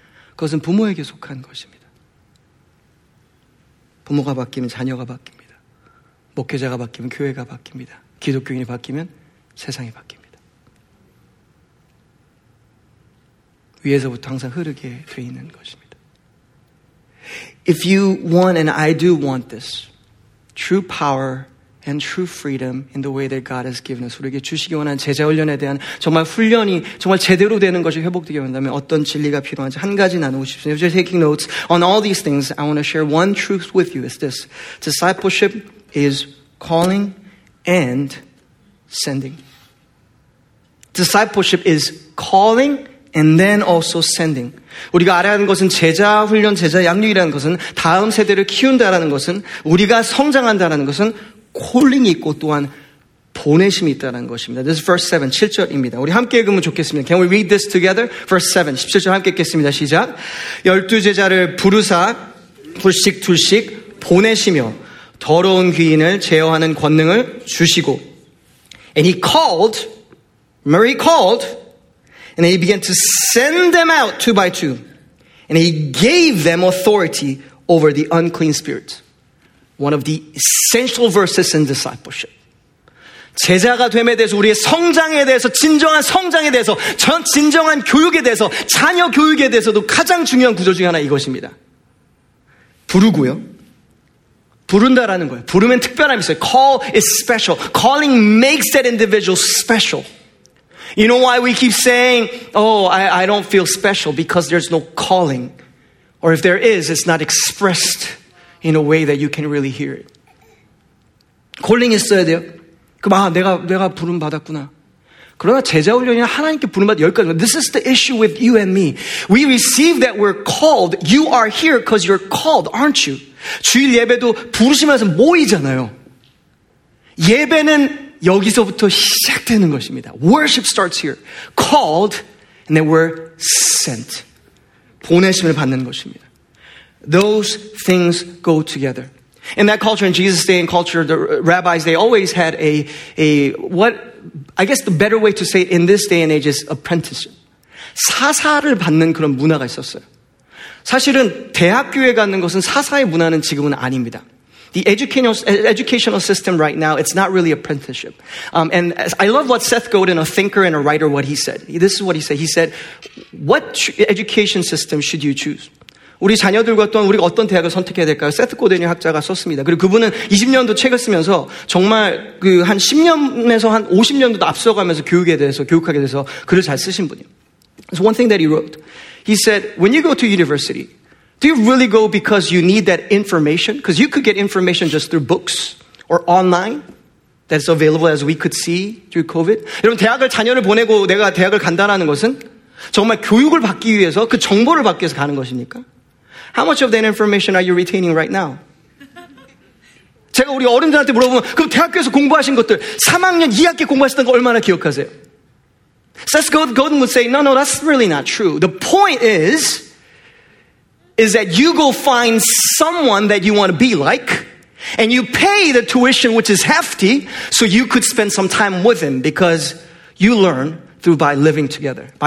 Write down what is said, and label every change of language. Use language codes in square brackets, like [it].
[ko] 그것은 부모에게 속한 것입니다. 부모가 바뀌면 자녀가 바뀝니다. 목회자가 바뀌면 교회가 바뀝니다. 기독교인이 바뀌면 세상이 바뀝니다. 위에서부터 항상 흐르게 돼 있는 것입니다. [en] If you want, and I do want this, true power and true freedom in the way that God has given us. [ko] 우리에게 주시기 원한 제자 훈련에 대한 정말 훈련이 정말 제대로 되는 것이 회복되게 된다면 어떤 진리가 필요한지 한 가지 나누고 싶습니다. [en] If you're taking notes on all these things, I want to share one truth with you. It's this. Discipleship is calling and sending. Discipleship is calling and then also sending. [ko] 우리가 알아야 하는 것은 제자 훈련, 제자 양육이라는 것은 다음 세대를 키운다라는 것은 우리가 성장한다라는 것은 calling이 있고 또한 보내심이 있다는 것입니다. [en] This is verse 7, [ko] 7절입니다. 우리 함께 읽으면 좋겠습니다. [en] Can we read this together? Verse 7, [ko] 17절 함께 읽겠습니다. 시작. 열두 제자를 부르사 둘씩 둘씩 보내시며 더러운 귀인을 제어하는 권능을 주시고 [en] And he called, Mary called, and he began to send them out two by two. And he gave them authority over the unclean spirits. One of the essential verses in discipleship. [ko] 제자가 됨에 대해서 우리의 성장에 대해서 진정한 성장에 대해서 진정한 교육에 대해서 자녀 교육에 대해서도 가장 중요한 구절 중에 하나 이것입니다. 부르고요. 부른다라는 거예요. 부르면 특별함이 있어요. [en] Call is special. Calling makes that individual special. You know why we keep saying, oh, I don't feel special? Because there's no calling. Or if there is, it's not expressed in a way that you can really hear it. [ko] Calling 있어야 돼요. 그럼 아, 내가 부름 받았구나. 그러나 제자 훈련이나 하나님께 부름 받은 여기까지. [en] This is the issue with you and me. We receive that we're called. You are here because you're called, aren't you? [ko] 주일 예배도 부르시면서 모이잖아요. 예배는 여기서부터 시작되는 것입니다. [en] Worship starts here. Called, and then we're sent. [ko] 보내심을 받는 것입니다. [en] Those things go together. In that culture, in Jesus' day and culture, the rabbis, they always had I guess the better way to say it in this day and age is apprenticeship. [ko] 사사를 받는 그런 문화가 있었어요. 사실은 대학교에 가는 것은 사사의 문화는 지금은 아닙니다. [en] The educational system right now, it's not really apprenticeship. And I love what Seth Godin, a thinker and a writer, what he said. This is what he said. He said, what education system should you choose? [ko] 우리 자녀들과 또한 우리가 어떤 대학을 선택해야 될까요? 세트 고데니 학자가 썼습니다. 그리고 그분은 20년도 책을 쓰면서 정말 그 한 10년에서 한 50년도 앞서가면서 교육하게 돼서 글을 잘 쓰신 분이에요. [en] So one thing that he wrote, he said, when you go to university, do you really go because you need that information? Because you could get information just through books or online that's available as we could see through COVID. [ko] 여러분, 대학을 자녀를 보내고 내가 대학을 간다라는 것은 정말 교육을 받기 위해서 그 정보를 받기 위해서 가는 것입니까? [en] How much of that information are you retaining right now? [ko] 제가 우리 어른들한테 물어보면 그럼 대학교에서 공부하신 것들 3학년 2학기 공부하셨던 거 얼마나 기억하세요? [en] Seth Godin would say, no, no, that's really not true. The point is that you go find someone that you want to be like and you pay the tuition, which is hefty, so you could spend some time with him because you learn through by living together.